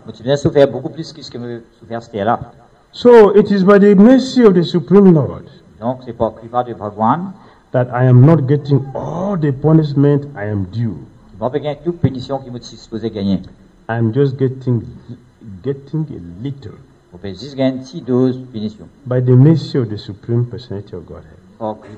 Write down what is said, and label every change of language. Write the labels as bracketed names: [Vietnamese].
[French] Tu viens souffrir beaucoup plus que ce que me souffert c'était là. [English] So it is by the mercy of the Supreme Lord. [French] Donc c'est par la grâce de Bhagwan [English] that I am not getting all the punishment I am due. [French] Je n'ai pas toute punition qui me supposé gagner. [English] I am just getting a little. [French] Je vais juste gagner une petite dose de punition. [English] By the mercy of the Supreme Personality of Godhead.